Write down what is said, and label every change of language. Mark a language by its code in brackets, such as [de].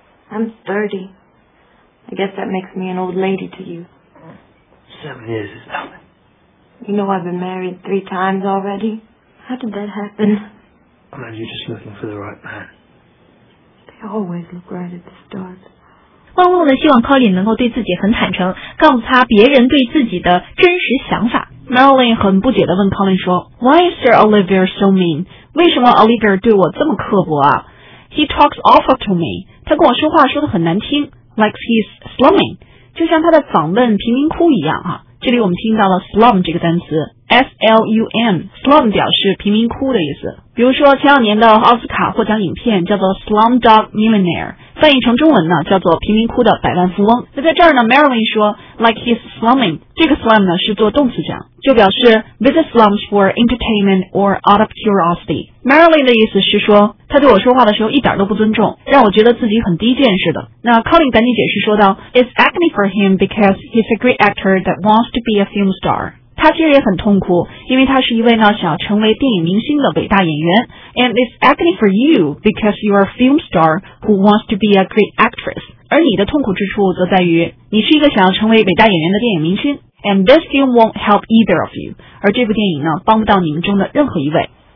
[en] I'm 30. I guess that makes me an old lady to you. 7 years is nothing. You know I've been married 3 times already. How did that happen? I mean, you're just looking for the right man. They always look right at the start. [zh] 梦露呢，希望 Colin 能够对自己很坦诚，告诉他别人对自己的真实想法。 Marilyn 很不解地问 Colin 说 ， [en] Why is Sir Olivier so mean？ [zh] 为什么 Olivier 对我这么刻薄啊 ？ [en] He talks awful to me。 [zh] 他跟我说话说得很难听 ， [en] like he's slumming， [zh] 就像他在访问贫民窟一样啊。这里我们听到了 slum 这个单词 ，S-L-U-M， slum 表示贫民窟的意思。比如说前两年的奥斯卡获奖影片叫做 Slumdog Millionaire， 翻译成中文呢叫做贫民窟的百万富翁。那在这儿呢 ，Marilyn 说 ， [en] like he's slumming， [zh] 这个 slum 呢是做动词讲，就表示 [en] visit slums for entertainment or out of curiosity。 [zh] Marilyn 的意思是说，他对我说话的时候一点都不尊重，让我觉得自己很低贱似的。那 Colin 赶紧解释说道 [en] ，It's agony for him because he's a great actor that wants to be a film star。 [zh] 他其实也很痛苦，因为他是一位呢想要成为电影明星的伟大演员。 [en] And it's agony for you because you are a film star who wants to be a great actress. [zh] 而你的痛苦之处则在于你是一个想要成为伟大演员的电影明星。 [en] And this film won't help either of you. [zh] 而这部电影呢帮不到你们中的任何一位。